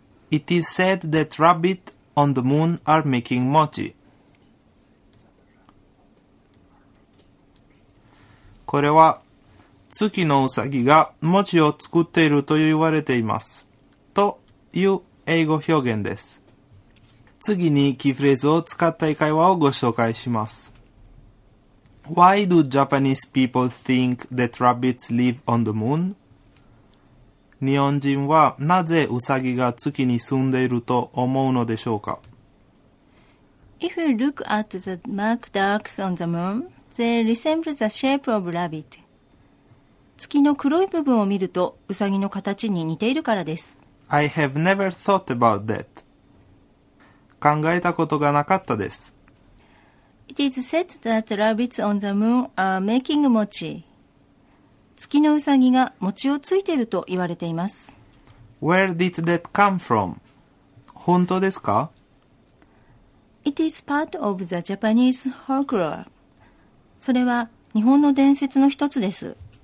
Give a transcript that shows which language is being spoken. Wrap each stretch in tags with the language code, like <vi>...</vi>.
<en>It is said that rabbits on the moon are making mochi.</en> <ja>これは月のうさぎが餅を作っていると言われていますという英語表現です。次にキーフレーズを使った会話をご紹介します。</ja> <en>Why do Japanese people think that rabbits live on the moon?</en> <ja>日本人はなぜウサギが月に住んでいると思うのでしょうか?</ja> <en>If you look at the marked arcs on the moon, they resemble the shape of rabbit.</en> <ja>月の黒い部分を見るとウサギの形に似ているからです。</ja> <en>I have never thought about that.</en> <ja>考えたことがなかったです。</ja> <en>It is said that rabbits on the moon are making mochi.</en> <ja>月のうさぎが餅をついていると言われています。</ja> <en>Where did that come from?</en> <ja>本当ですか?</ja> <en>It is part of the Japanese folklore.</en> <ja>それは日本の伝説の一つです。</ja>